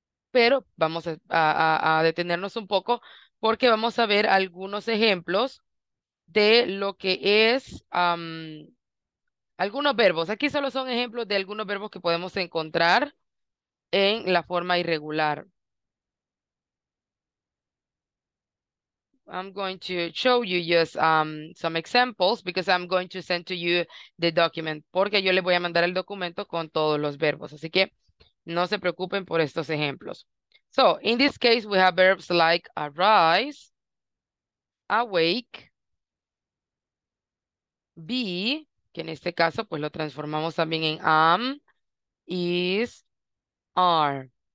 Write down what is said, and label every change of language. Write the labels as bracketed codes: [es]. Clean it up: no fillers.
[es] Pero vamos a detenernos un poco porque vamos a ver algunos ejemplos de lo que es algunos verbos. Aquí solo son ejemplos de algunos verbos que podemos encontrar en la forma irregular. [en] I'm going to show you just some examples because I'm going to send to you the document. [es] Porque yo les voy a mandar el documento con todos los verbos. Así que no se preocupen por estos ejemplos. [en] So, in this case, we have verbs like arise, awake, be, [es] que en este caso, pues lo transformamos también en [en] am, is, are.